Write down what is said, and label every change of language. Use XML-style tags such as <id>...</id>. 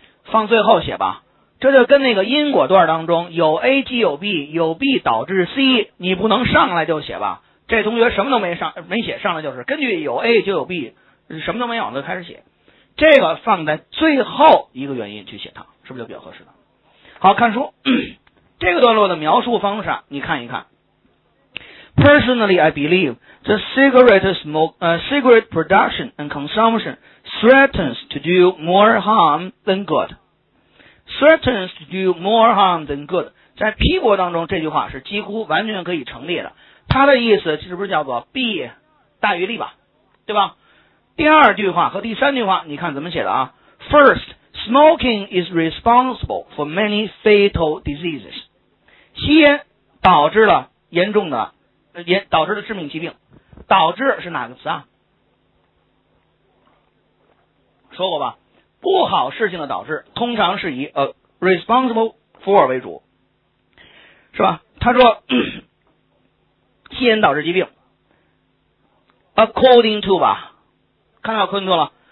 <zh>放最后写吧，这就跟那个因果段当中有 A 即有 B， 有 B 导致 C， 你不能上来就写吧？这同学什么都没写，上来就是根据有 A 就有 B， 什么都没有就开始写，这个放在最后一个原因去写它，是不是就比较合适的？好，看书，这个段落的描述方式你看一看。</zh> <en>Personally, I believe the cigarette smoke, cigarette production and consumption threatens to do more harm than good. Threatens to do more harm than good，</en> <zh>在批驳当中，这句话是几乎完全可以成立的。他的意思是不是叫做弊大于利吧，对吧？第二句话和第三句话你看怎么写的啊。</zh> <en>First, smoking is responsible for many fatal diseases，</en> <zh>吸烟导致了严重的导致了致命疾病。导致是哪个词啊？说过吧，不好事情的导致通常是以responsible for 为主，是吧？他说吸烟导致疾病 according to 吧，看到 according to 了。</zh>